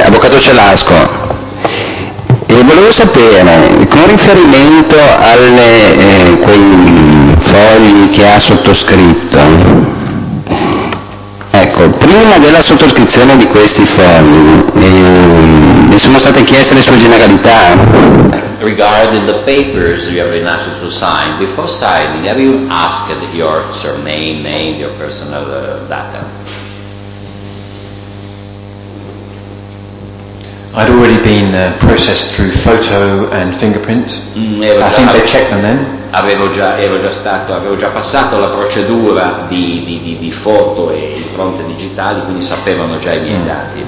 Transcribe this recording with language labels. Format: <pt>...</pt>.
<it>Avvocato Celasco, volevo sapere, con riferimento alle quei fogli che ha sottoscritto, ecco, prima della sottoscrizione di questi fogli, mi sono state chieste le sue generalità.</it> <en>Regarding the papers you have been asked to sign, before signing, have you asked your surname, name, your personal data? I'd already been processed through photo and fingerprint. They checked them then.</en> <it>Avevo già passato la procedura di foto e impronte digitali, quindi sapevano già i miei dati.</it>